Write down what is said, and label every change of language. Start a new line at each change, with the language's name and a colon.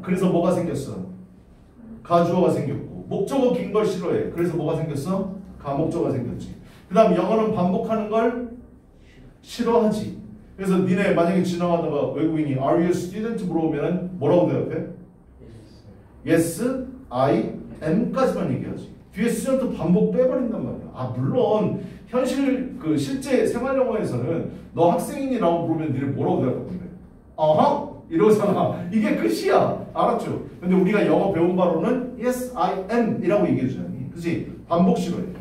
Korean: 그래서 뭐가 생겼어? 가주어가 생겼고, 목적어 긴 걸 싫어해. 그래서 뭐가 생겼어? 가목적어가 생겼지. 그 다음 영어는 반복하는 걸 싫어하지. 그래서 니네 만약에 지나가다가 외국인이
English: Are you a student?
Korean: 물어보면 뭐라고 대답해?
English: Yes. Yes, I am까지만
Korean: 얘기하지. 뒤에 student 반복 빼버린단 말이야. 아 물론 현실 그 실제 생활 영어에서는 너 학생이니라고 물으면 니네 뭐라고 대답하는데? 어허? 이러잖아. 이게 끝이야. 알았죠? 근데 우리가 영어 배운 바로는
English: Yes, I am
Korean: 이라고 얘기해주잖아. 그치? 반복 싫어해.